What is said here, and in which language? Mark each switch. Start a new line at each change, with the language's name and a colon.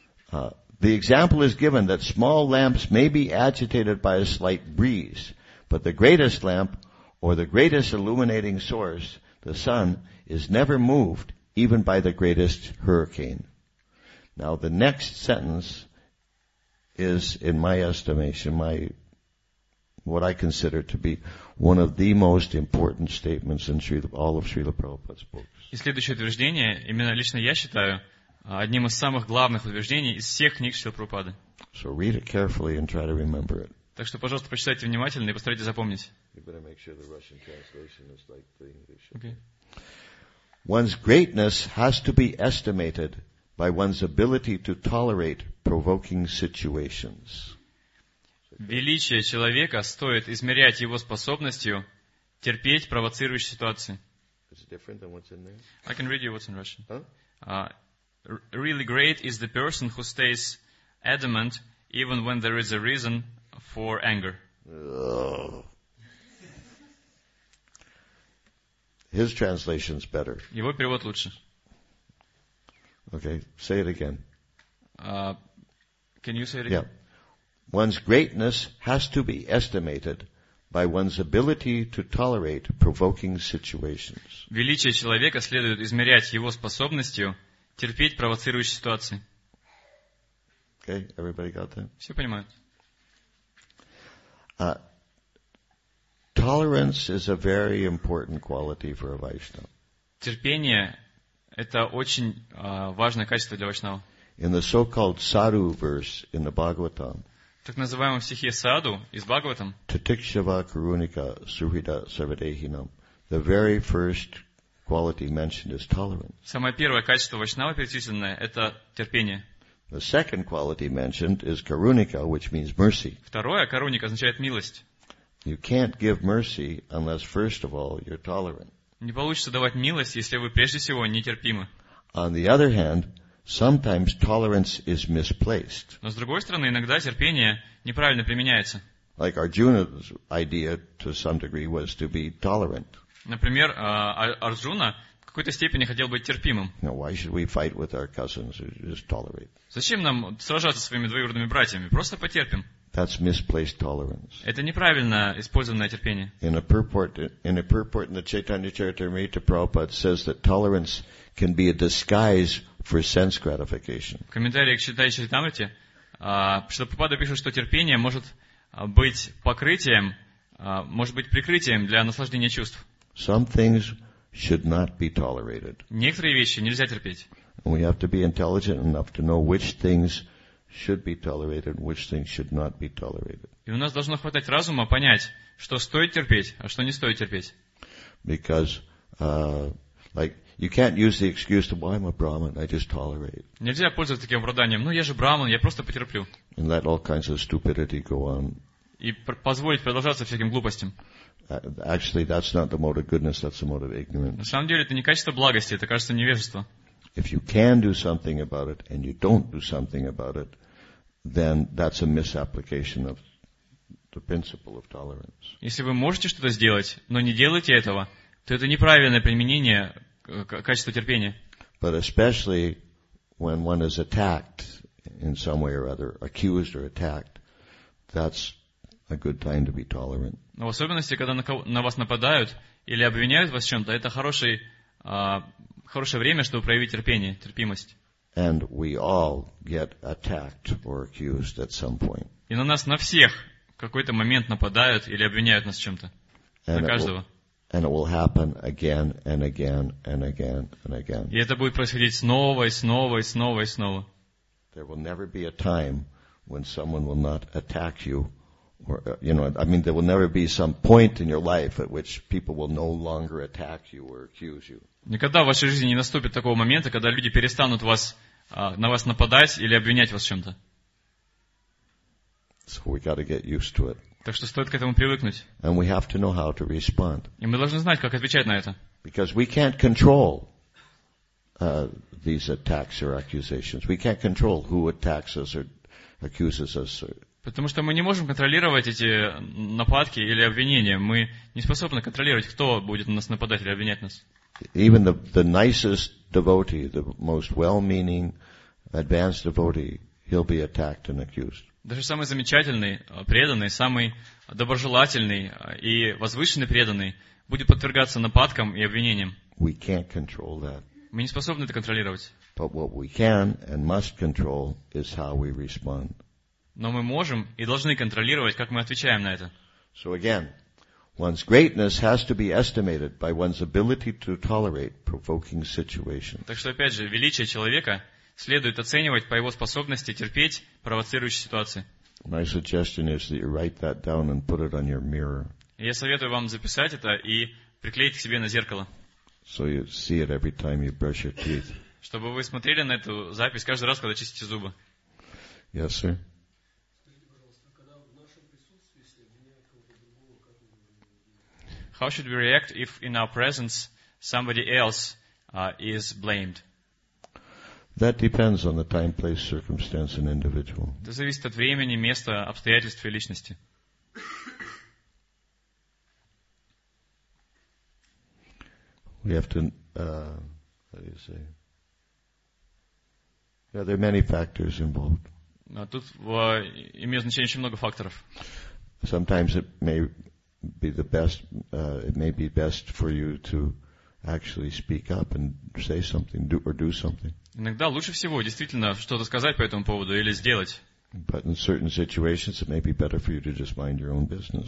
English: The example is given that small lamps may be agitated by a slight breeze, but the greatest lamp, or the greatest illuminating source, the sun, is never moved, even by the greatest hurricane. Now, the next sentence is, in my estimation, what I consider to be one of the most important statements in all of Srila Prabhupada's books.
Russian: И следующее утверждение, именно лично я считаю, одним из самых главных утверждений из всех книг Шрила Прабхупады.
English: So read it carefully and try to remember it.
Russian: Так что, пожалуйста, прочитайте внимательно и постарайтесь запомнить.
English: You better make sure the Russian translation is like the English. Okay. One's greatness has to be estimated by one's ability to tolerate provoking situations.
Russian: Величие человека стоит измерять его способностью терпеть провоцирующие ситуации.
English: Is it different than what's in there? I can read you what's in Russian. Huh? Really great is the person who stays adamant even when there is a reason for anger. His translation's better.
Russian: Его перевод лучше.
English: Okay, say it again. Can you say it again? Yeah. One's greatness has to be estimated by one's ability to tolerate provoking situations.
Russian: Величие человека следует измерять его способностью терпеть провоцирующие ситуации.
English: Okay, everybody got that?
Russian: Все понимают.
English: Tolerance is a very important quality for a Vaishnava.
Russian: Терпение это очень важное качество для вайшнава.
English: In the so-called sadhu verse in the Bhagavatam.
Russian: Так называемом стихе саду из Бхагаватам.
Sanskrit: Tatikshava karunika suhida sarvadehinam.
English: The very first quality mentioned is tolerance.
Russian: Самое первое качество вайшнава перечисленное это терпение.
English: The second quality mentioned is karunika, which means mercy.
Russian: Второе karunika означает милость.
English: You can't give mercy unless first of all you're tolerant.
Russian: Не получится давать милость, если вы прежде всего нетерпимы.
English: On the other hand, sometimes tolerance is misplaced.
Russian: Но с другой стороны, иногда терпение неправильно применяется.
English: Like Arjuna's idea to some degree was to be tolerant.
Russian: Например, Арджуна в какой-то степени хотел быть терпимым.
English: Now, why should we fight with our cousins? Just tolerate.
Russian: Зачем нам сражаться со своими двоюродными братьями? Просто потерпим.
English: That's misplaced tolerance.
Russian: Это неправильно использованное терпение.
English: In a purport in the Chaitanya Charitamrita, Prabhupada says that tolerance can be a disguise for sense gratification.
Russian: В комментарии к Чайтанья Чаритамрите, Шрила Прабхупада пишет, что терпение может быть покрытием, может быть прикрытием для наслаждения чувств.
English: Some things should not be tolerated.
Russian: Некоторые вещи нельзя терпеть.
English: We have to be intelligent enough to know which things should be tolerated, which things should not be tolerated.
Russian: И у нас должно хватать разума понять, что стоит терпеть, а что не стоит терпеть.
English: Because, like, you can't use the excuse that I'm a Brahmin, I just tolerate.
Russian: Нельзя пользоваться таким оправданием. Ну, я же Брахман, я просто потерплю.
English: And let all kinds of stupidity go on.
Russian: И позволить продолжаться всяким глупостям.
English: Actually, that's not the mode of goodness, that's the mode of ignorance.
Russian: На самом деле, это не качество благости, это кажется невежество.
English: If you can do something about it and you don't do something about it, then that's a misapplication of the principle of tolerance.
Russian: Если вы можете что-то сделать, но не делаете этого, то это неправильное применение качество терпения.
English: But especially when one is attacked in some way or other, accused or attacked, that's a good time to be tolerant.
Russian: Но в особенности, когда на вас нападают или обвиняют вас в чем-то, это хорошее время, чтобы проявить терпение, терпимость.
English: And we all get attacked or accused at some point.
Russian: И на нас на всех в какой-то момент нападают или обвиняют нас в чем-то. На каждого.
English: And it will happen again and again and again and again.
Russian: И это будет происходить снова и снова и снова и снова.
English: There will never be a time when someone will not attack you, or you know, I mean, there will never be some point in your life at which people will no longer attack you or accuse you.
Russian: Никогда в вашей жизни не наступит такого момента, когда люди перестанут вас, на вас нападать или обвинять вас в чем-то.
English: So we got to get used to it.
Russian: Так что стоит к этому привыкнуть.
English: And we have to know how to respond.
Russian: И мы должны знать, как отвечать на это.
English: Because we can't control these attacks or accusations. We can't control who attacks us or accuses us.
Russian: Потому что мы не можем контролировать эти нападки или обвинения. Мы не способны контролировать, кто будет на нас нападать или обвинять нас.
English: Even the nicest devotee, the most well-meaning, advanced devotee, he'll be attacked and accused.
Russian: Даже самый замечательный преданный, самый доброжелательный и возвышенный преданный будет подвергаться нападкам и обвинениям.
English: We can't control that.
Russian: Мы не способны это контролировать.
English: But what we can and must control is how we respond.
Russian: Но мы можем и должны контролировать, как мы отвечаем на это.
English: So again, one's greatness has to be estimated by one's ability to tolerate provoking situations.
Russian: Так что опять же, величие человека следует оценивать по его способности терпеть провоцирующие ситуации.
English: My suggestion is that you write that down and put it on your mirror.
Russian: Я советую вам записать это и приклеить к себе на зеркало.
English: So you see it every time you brush your teeth.
Russian: Чтобы вы смотрели на эту запись каждый раз, когда чистите зубы.
English: Yes, sir. How should we react if in our presence somebody else is blamed? That depends on the time, place, circumstance and individual.
Russian: Это зависит от времени, места, обстоятельств и личности.
English: We have to, how do you say? Yeah, there are many factors involved.
Russian: Но тут имеет значение очень много факторов.
English: Sometimes it may be the best, it may be best for you to actually speak up and say something, do something.
Russian: Иногда лучше всего действительно что-то сказать по этому поводу или сделать.
English: But in certain situations, it may be better for you to just mind your own business.